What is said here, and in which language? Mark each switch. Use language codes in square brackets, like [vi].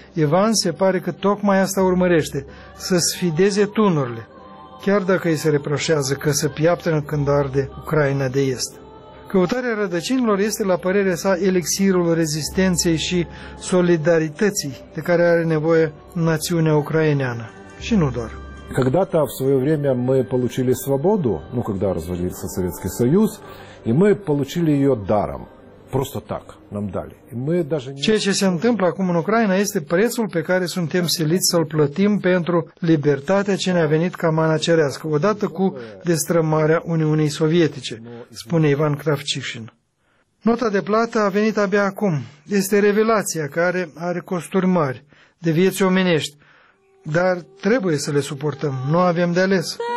[ro] Ivan se pare că tocmai asta urmărește, să sfideze tunurile, chiar dacă îi se reproșează că se piaptănă când arde Ucraina de Est. Căutarea rădăcinilor este, la părerea sa, elixirul rezistenței și solidarității de care are nevoie națiunea ucraineană. Și nu doar. [ru] Когда-то, в свое время, мы получили свободу, ну, когда развалился Советский Союз, и мы получили ее даром. Просто так нам дали. И мы даже не... [ro] Ceea ce se întâmplă acum în Ucraina este prețul pe care suntem siliți să-l plătim pentru libertatea ce ne-a venit ca mana cerească, odată cu destrămarea Uniunii Sovietice, spune Ivan Kravchishin. Nota de plată a venit abia acum. Este revelația care are costuri mari de vieți omenești, dar trebuie să le suportăm, nu avem de ales.